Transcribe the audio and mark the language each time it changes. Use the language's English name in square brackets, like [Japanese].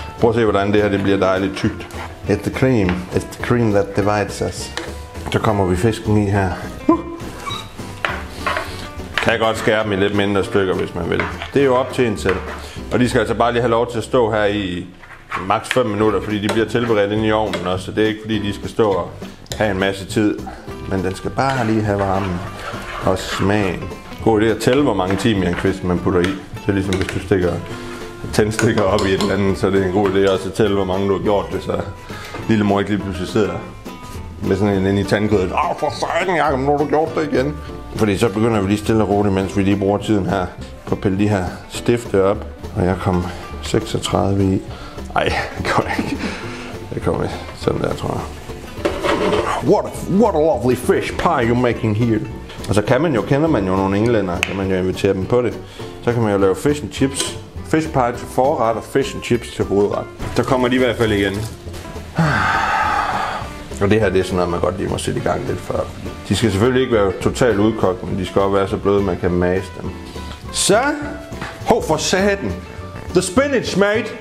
[Danish] Prøv at se, hvordan det her det bliver dejligt tykt. [English] It's the cream that divides us. [Danish] Så kommer vi fisken i her. Kan jeg godt skære dem i lidt mindre stykker, hvis man vil. Det er jo op til en selv. Og de skal altså bare lige have lov til at stå her i maks 5 minutter, fordi de bliver tilberedt inde i ovnen også. Så det er ikke fordi, de skal stå og have en masse tid. Men den skal bare lige have varmen og smagen. God idé at tælle, hvor mange timer en kvist man putter i. Så ligesom hvis du stikker tændstikker op i et eller andet, så det er en god idé også at tælle, hvor mange du har gjort det. Så lille mor ikke lige pludselig sidder med sådan en ind i tandkødet. Åh, for fanden, Jacob, nu har du gjort det igen. Fordi så begynder vi lige stille og roligt, mens vi lige bruger tiden her på at pille de her stifte op. Og jeg kom 36 i. Ej, det går ikke. Det kommer vi sådan der, tror jeg. [English] What a lovely fish pie you're making here. [Danish] Og så kan man jo, kender man jo nogle englænder, kan man jo invitere dem på det. Så kan man jo lave fish and chips. Fish pie til forret og fish and chips til hovedret. Så kommer de i hvert fald igen. Og det her, det er sådan noget, man godt lige må sætte i gang lidt før. De skal selvfølgelig ikke være totalt udkogt, men de skal også være så bløde, man kan mase dem. Så! Ho for satan! [English] The spinach, mate!